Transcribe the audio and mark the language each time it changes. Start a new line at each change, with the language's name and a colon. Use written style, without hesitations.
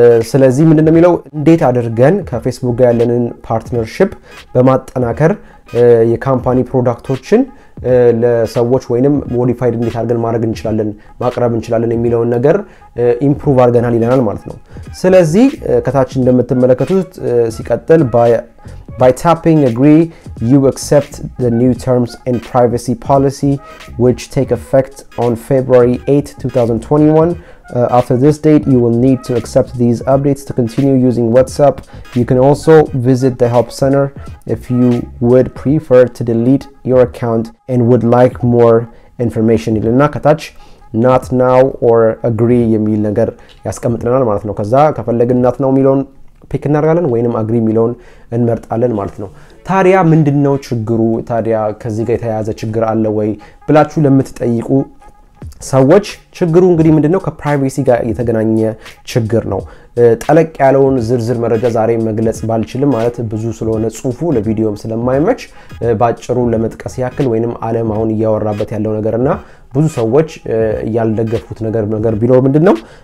Amharic: ስለዚህ ምንድነው የሚለው እንዴት አድርገን ከFacebook ጋር ያለንን partnership በማጠናከር የካምፓኒ ፕሮዳክቶችን ለሰዎች ወይንም ሞዲፋይድ እንዴት አድርገን ማድረግ እንችላለን ማቅረብ እንችላለን የሚለውን ነገር ኢምፕሩቭ አድርገናል ይለናል ማለት ነው። ስለዚህ ከታች እንደምትመለከቱት ሲቀጥል
English: by tapping agree you accept the new terms and privacy policy which take effect on February 8, 2021. After this date you will need to accept these updates to continue using WhatsApp. You can also visit the help center if you would prefer to delete your account and would like more information.
Amharic: ይለና ከታች
English: not now or agree
Amharic: የሚል ነገር ያስቀምጥልናል ማለት ነው። ከዛ ከፈለግን not now የሚለውን ፒክ እናደርጋለን ወይንም አግሪ የሚለውን እንመርጣለን ማለት ነው። ታዲያ ምንድነው ችግሩ? ታዲያ ከዚህ ጋር የተያዘ ችግር አለ ወይ ብላችሁ ለምትጠይቁ ሰዎች ችግሩ እንግዲህ ምንድነው ከፕራይቬሲ ጋር የተገናኘ ችግር ነው። ጠለቅ ያለውን ዝርዝር መረጃ ዛሬ መግለጽ ባልችልም ማለት ብዙ ስለሆነ ጽሑፉ ለቪዲዮም ስለማይመች ባጭሩ ለመጥቀስ ያክል ወይንም ዓለም አሁን እያወራበት ያለው ነገርና ብዙ ሰዎች ያልደገፉት ነገር ቢኖር ምንድነው